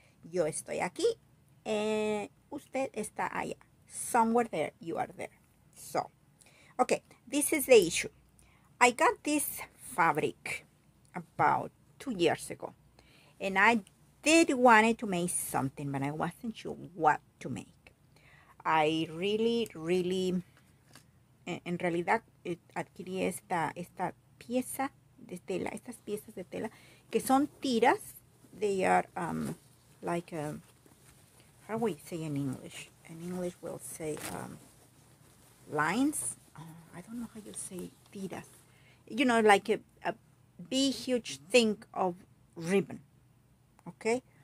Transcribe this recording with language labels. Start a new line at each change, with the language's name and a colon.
Spanish: Yo estoy aquí. Usted está allá.
English: Somewhere there. You are there. So, okay. This is the issue. I got this fabric about 2 years ago. And I did want to make something, but I wasn't sure what to make. I really...
Spanish: En realidad, adquirí esta pieza de tela, estas piezas de tela, que son tiras.
English: They are like, how we say in English? In English, we'll say lines. Oh, I don't know how you say tiras. You know, like a big, huge thing of ribbon. Okay?